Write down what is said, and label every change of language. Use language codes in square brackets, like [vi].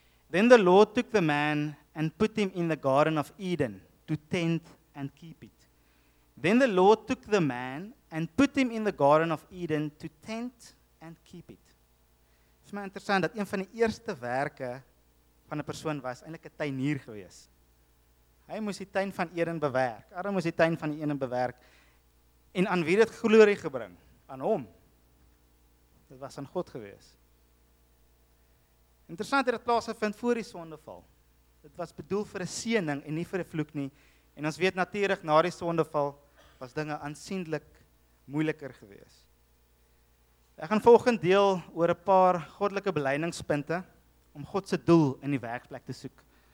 [en] Then the Lord took the man and put him in the garden of Eden to tend and keep it. Then the Lord took the man and put him in the garden of Eden to tend and keep it. [af] Dit is my interessant dat een van die eerste werke van 'n persoon was eintlik 'n tuinier gewees. Hy moes die tuin van Eden bewerk. Adam moes die tuin van Eden bewerk. En aan wie dit glorie gebring? Aan hom. Dit was aan God gewees. Interessant het dit plaasgevind voor die sondeval. Dit was bedoel vir 'n seëning en nie vir 'n vloek nie. En ons weet natuurlik na die sondeval was dinge aansienlik moeiliker gewees. Ek gaan volgend deel oor 'n paar goddelike beleidingspunte om God se doel in die werkplek te soek.